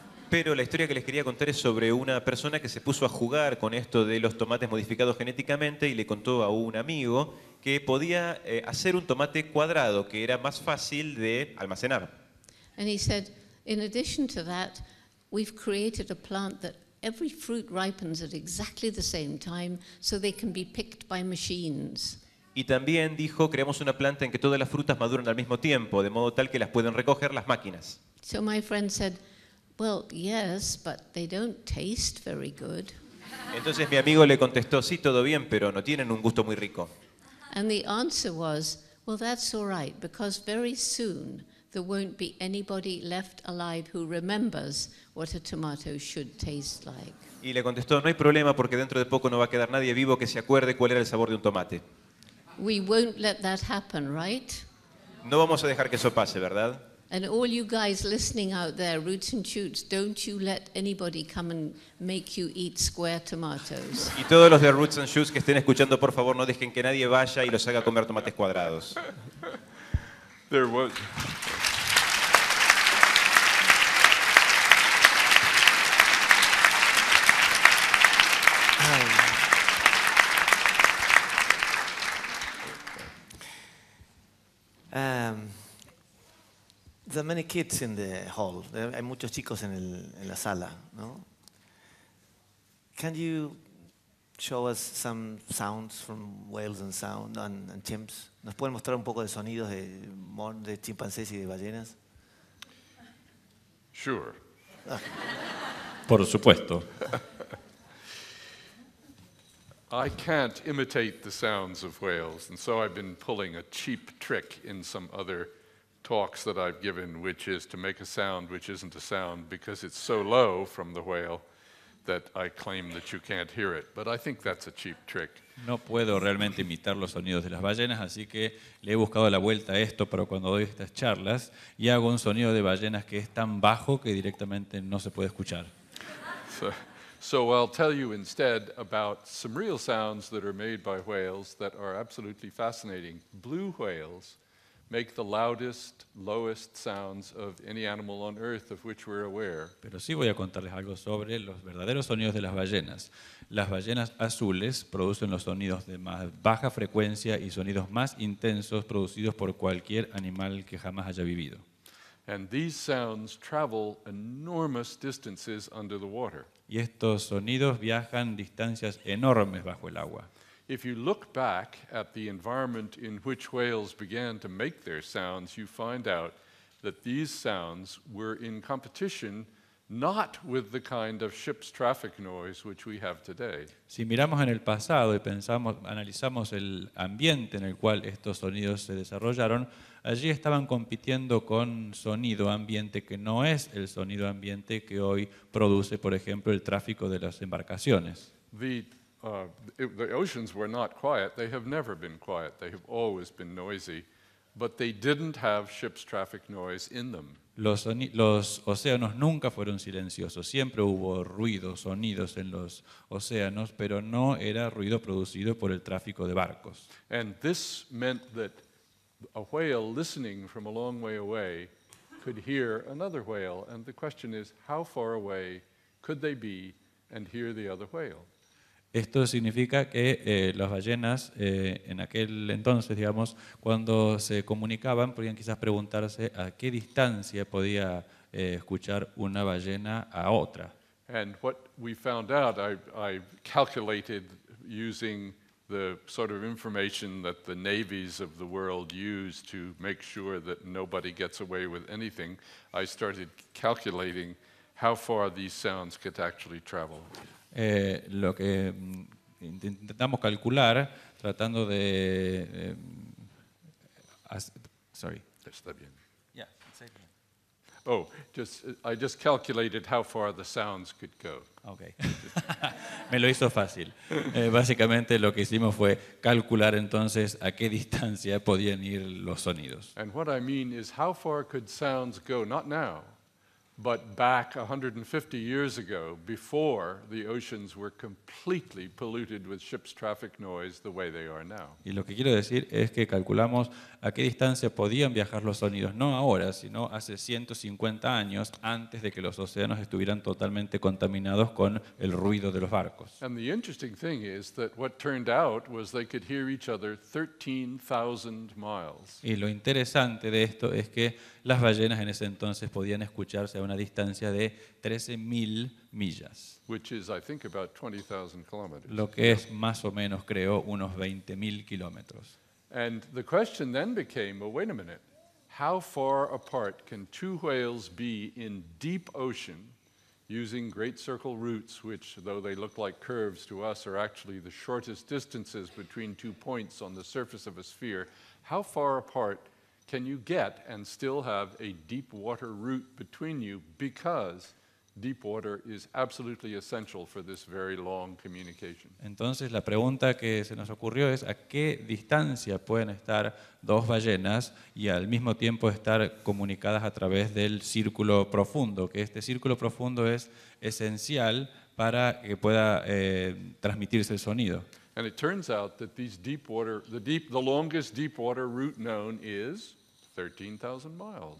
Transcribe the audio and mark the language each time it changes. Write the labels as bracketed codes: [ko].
[es] Pero la historia que les quería contar es sobre una persona que se puso a jugar con esto de los tomates modificados genéticamente y le contó a un amigo que podía hacer un tomate cuadrado, que era más fácil de almacenar. [en] And he said, in addition to that, we've created a plant that every fruit ripens at exactly the same time, so they can be picked by machines. [es] Y también dijo, creamos una planta en que todas las frutas maduran al mismo tiempo, de modo tal que las pueden recoger las máquinas. [en] So my friend said, well, yes, but they don't taste very good. [es] Entonces mi amigo le contestó, sí, todo bien, pero no tienen un gusto muy rico. [en] And the answer was, well, that's all right, because very soon there won't be anybody left alive who remembers what a tomato should taste like. [es] Y le contestó, no hay problema, porque dentro de poco no va a quedar nadie vivo que se acuerde cuál era el sabor de un tomate. [en] We won't let that happen, right? [es] No vamos a dejar que eso pase, ¿verdad? [en] And all you guys listening out there, Roots and Shoots, don't you let anybody come and make you eat square tomatoes. [es] Y todos los de Roots and Shoots que estén escuchando, por favor, no dejen que nadie vaya y los haga comer tomates cuadrados. [en] There was. There are many kids in the hall. [es] Hay muchos chicos en la sala, ¿no? [en] Can you show us some sounds from whales and sound and chimps? [es] ¿Nos pueden mostrar un poco de sonidos de chimpancés y de ballenas? [en] Sure. [es] Por supuesto. [en] I can't imitate the sounds of whales, and so I've been pulling a cheap trick in some other talks that I've given, which is to make a sound which isn't a sound because it's so low from the whale that I claim that you can't hear it. But I think that's a cheap trick. [es] No puedo realmente imitar los sonidos de las ballenas, así que le he buscado la vuelta a esto para cuando doy estas charlas y hago un sonido de ballenas que es tan bajo que directamente no se puede escuchar. [en] So I'll tell you instead about some real sounds that are made by whales that are absolutely fascinating. Blue whales make the loudest, lowest sounds of any animal on earth of which we're aware. [es] Pero sí voy a contarles algo sobre los verdaderos sonidos de las ballenas. Las ballenas azules producen los sonidos de más baja frecuencia y sonidos más intensos producidos por cualquier animal que jamás haya vivido. [en] And these sounds travel enormous distances under the water. [es] Y estos sonidos viajan distancias enormes bajo el agua. [en] If you look back at the environment in which whales began to make their sounds, you find out that these sounds were in competition not with the kind of ship's traffic noise which we have today. [es] Si miramos en el pasado y pensamos, analizamos el ambiente en el cual estos sonidos se desarrollaron, allí estaban compitiendo con sonido ambiente que no es el sonido ambiente que hoy produce, por ejemplo, el tráfico de las embarcaciones. [en] The oceans were not quiet. They have never been quiet. They have always been noisy. But they didn't have ship's traffic noise in them. [es] Los océanos nunca fueron silenciosos. Siempre hubo ruido, sonidos en los océanos, pero no era ruido producido por el tráfico de barcos. [en] And this meant that a whale listening from a long way away could hear another whale. And the question is, how far away could they be and hear the other whale? [es] Esto significa que las ballenas en aquel entonces, digamos, cuando se comunicaban, podían quizás preguntarse a qué distancia podía escuchar una ballena a otra. [en] And what we found out, I calculated using the sort of information that the navies of the world use to make sure that nobody gets away with anything. I started calculating how far these sounds could actually travel. [es] Lo que intentamos calcular tratando de [en] sorry. [es] Está bien. Yeah, está bien. [en] Oh, I just calculated how far the sounds could go. [es] Okay. Me lo hizo fácil. Básicamente lo que hicimos fue calcular entonces a qué distancia podían ir los sonidos. [en] And what I mean is how far could sounds go, not now, but back 150 years ago, before the oceans were completely polluted with ships' traffic noise the way they are now. [es] Y lo que quiero decir es que calculamos a qué distancia podían viajar los sonidos, no ahora, sino hace 150 años, antes de que los océanos estuvieran totalmente contaminados con el ruido de los barcos. [en] And the interesting thing is that what turned out was they could hear each other 13,000 miles. [es] Y lo interesante de esto es que las ballenas en ese entonces podían escucharse a una distancia de 13,000 millas. [en] Which is, I think, about 20,000 kilometers. [es] Lo que es más o menos, creo, unos 20,000 kilómetros. [en] And the question then became, well, wait a minute, how far apart can two whales be in deep ocean using great circle routes, which, though they look like curves to us, are actually the shortest distances between two points on the surface of a sphere, how far apart can you get and still have a deep water route between you because deep water is absolutely essential for this very long communication. [es] Entonces la pregunta que se nos ocurrió es a qué distancia pueden estar dos ballenas y al mismo tiempo estar comunicadas a través del círculo profundo, que este círculo profundo es esencial para que pueda transmitirse el sonido. [en] And it turns out that these deep water, the longest deep water route known is 13,000 miles.